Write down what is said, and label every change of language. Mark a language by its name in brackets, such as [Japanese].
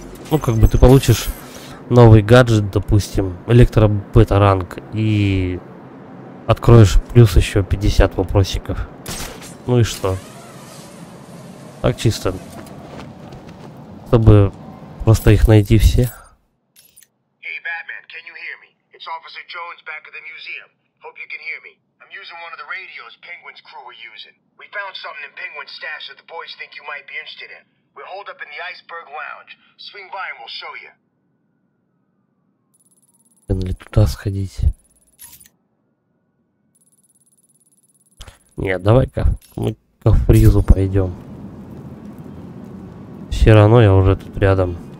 [Russian] Ну, как бы ты получишь... Новый гаджет, допустим, электро-бета-ранг, и откроешь плюс еще 50 вопросиков. Ну и что? Так чисто. Чтобы просто их найти все. [English] Hey, Batman, can you hear me? It's Officer Jones back at the museum. Hope you can hear me. I'm using one of the radios Penguin's crew were using. We found something in Penguin's stash that the boys think you might be interested in. We're holed up in the Iceberg Lounge. Swing by and we'll show you. [Russian] Или туда сходить? Нет, давай-ка мы к Фризу пойдем. Все. все равно я уже тут рядом.